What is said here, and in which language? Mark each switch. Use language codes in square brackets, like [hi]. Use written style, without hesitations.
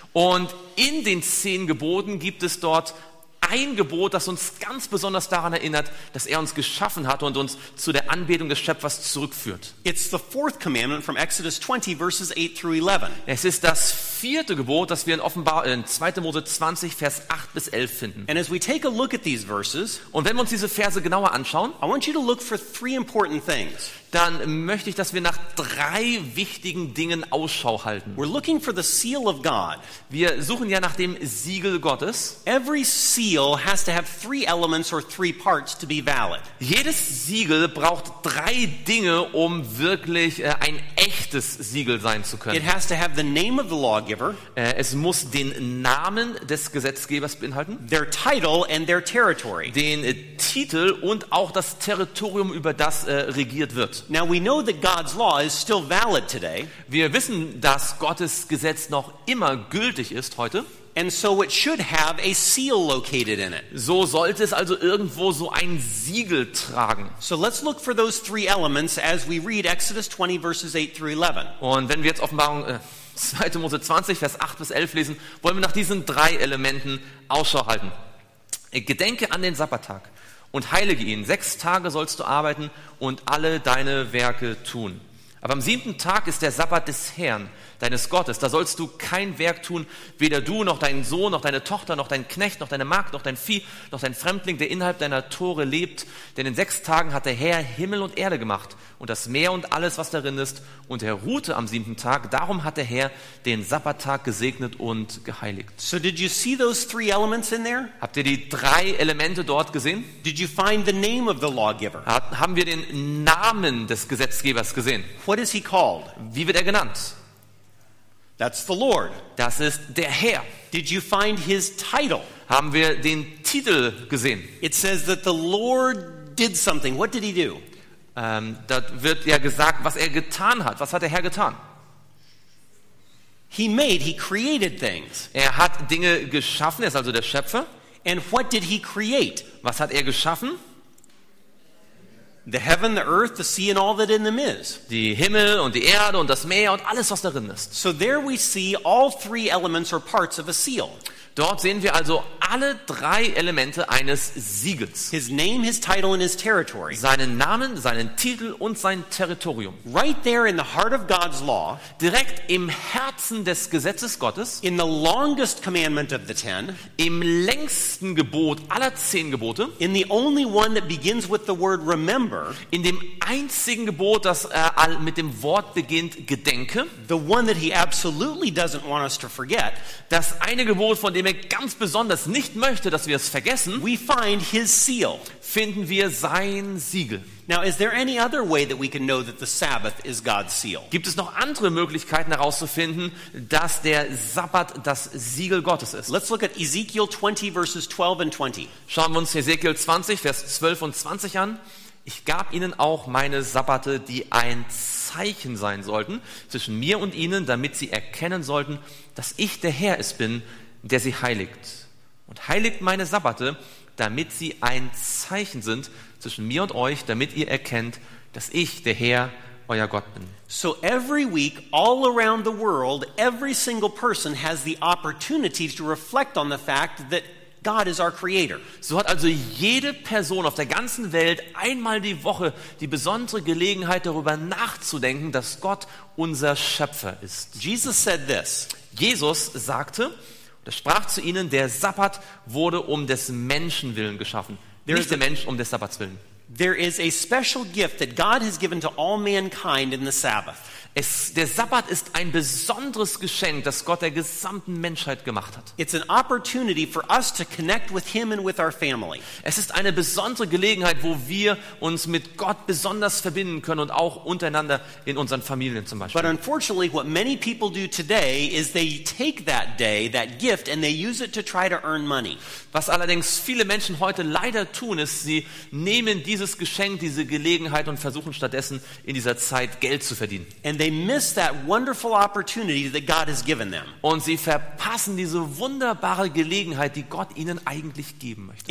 [de] Und in den Zehn Geboten gibt es dort ein Gebot, das uns ganz besonders daran erinnert, dass uns geschaffen hat und uns zu der Anbetung des Schöpfers zurückführt. [en] It's the fourth commandment from Exodus 20, verses 8 through 11. [de] Es ist das vierte Gebot, das wir in 2. Mose 20, Vers 8 bis 11 finden. [en] And as we take a look at these verses, [de] und wenn wir uns diese Verse genauer anschauen, [en] I want you to look for three important things. [de] Dann möchte ich, dass wir nach drei wichtigen Dingen Ausschau halten. [en] We're looking for the seal of God. [de] Wir suchen ja nach dem Siegel Gottes. [en] Every seal has to have three elements or three parts to be valid. [de] Jedes Siegel braucht drei Dinge, um wirklich ein echtes Siegel sein zu können. [en] It has to have the name of the lawgiver. [de] Es muss den Namen des Gesetzgebers beinhalten. [en] Their title and their territory. [de] Den Titel und auch das Territorium, über das regiert wird. [en] Now we know that God's law is still valid today. [de] Wir wissen, dass Gottes Gesetz noch immer gültig ist heute. [en] And so it should have a seal located in it. [de] So sollte es also irgendwo so ein Siegel tragen. [en] So let's look for those three elements as we read Exodus 20 verses 8 through 11. [de] Und wenn wir jetzt Offenbarung 2. Mose 20 Vers 8 bis 11 lesen, wollen wir nach diesen drei Elementen Ausschau halten. Gedenke an den Sabbattag. Und heilige ihn. Sechs Tage sollst du arbeiten und alle deine Werke tun. Aber am siebten Tag ist der Sabbat des Herrn, deines Gottes. Da sollst du kein Werk tun, weder du noch dein Sohn, noch deine Tochter, noch dein Knecht, noch deine Magd, noch dein Vieh, noch dein Fremdling, der innerhalb deiner Tore lebt. Denn in sechs Tagen hat der Herr Himmel und Erde gemacht und das Meer und alles, was darin ist. Und er ruhte am siebten Tag. Darum hat der Herr den Sabbattag gesegnet und geheiligt. [en] So did you see those three elements in there? [de] Habt ihr die drei Elemente dort gesehen? [en] Did you find the name of the lawgiver? [de] Haben wir den Namen des Gesetzgebers gesehen? [en] What is he called? [de] Wie wird er genannt? [en] That's the Lord. [de] Das ist der Herr. [en] Did you find his title? [de] Haben wir den Titel gesehen? [en] It says that the Lord did something. What did he do? [de] Da wird ja gesagt, was er getan hat. Was hat der Herr getan? [en] He made, he created things. [de] Er hat Dinge geschaffen, er ist also der Schöpfer. [en] And what did he create? [de] Was hat er geschaffen? [en] The heaven, the earth, the sea and all that in them is. [de] Die Himmel und die Erde und das Meer und alles, was darin ist. [en] So there we see all three elements or parts of a seal. [de] Dort sehen wir also alle drei Elemente eines Siegels. [en] His name, his title and his territory. [de] Seinen Namen, seinen Titel und sein Territorium. [en] Right there in the heart of God's law, [de] direkt im Herzen des Gesetzes Gottes, [en] in the longest commandment of the ten, [de] im längsten Gebot aller zehn Gebote, [en] in the only one that begins with the word remember, [de] in dem einzigen Gebot, das mit dem Wort beginnt, gedenke, [en] the one that he absolutely doesn't want us to forget, [de] das eine Gebot, von dem er ganz besonders nicht möchte, dass wir es vergessen, [en] we find his seal, [de] finden wir sein Siegel. [en] Now, is there any other way that we can know that the Sabbath is God's seal? [de] Gibt es noch andere Möglichkeiten herauszufinden, dass der Sabbat das Siegel Gottes ist? [en] Let's look at Ezekiel 20 verses 12 and 20. [de] Schauen wir uns Ezekiel 20 Vers 12 und 20 an. Ich gab ihnen auch meine Sabbate, die ein Zeichen sein sollten zwischen mir und ihnen, damit sie erkennen sollten, dass ich der Herr es bin, der sie heiligt. Und heiligt meine Sabbate, damit sie ein Zeichen sind zwischen mir und euch, damit ihr erkennt, dass ich der Herr euer Gott bin. [en] So every week, all around the world, every single person has the opportunity to reflect on the fact that God is our creator. [de] So hat also jede Person auf der ganzen Welt einmal die Woche die besondere Gelegenheit, darüber nachzudenken, dass Gott unser Schöpfer ist. [en] Jesus said this. [de] Jesus sagte, oder sprach zu ihnen, der Sabbat wurde um des Menschen willen geschaffen, nicht der Mensch um des Sabbats willen. [en] There is a special gift that God has given to all mankind in the Sabbath. [de] Der Sabbat ist ein besonderes Geschenk, das Gott der gesamten Menschheit gemacht hat. [en] It's an opportunity for us to connect with him and with our family. [de] Es ist eine besondere Gelegenheit, wo wir uns mit Gott besonders verbinden können und auch untereinander in unseren Familien zum Beispiel. [en] But unfortunately, what many people do today is they take that day, that gift, and they use it to try to earn money. [de] Was allerdings viele Menschen heute leider tun, ist, sie nehmen dieses Geschenk, diese Gelegenheit und versuchen stattdessen in dieser Zeit Geld zu verdienen. [en] And they miss that wonderful opportunity that God has given them. [de] Und sie verpassen diese wunderbare Gelegenheit, die Gott ihnen eigentlich geben möchte.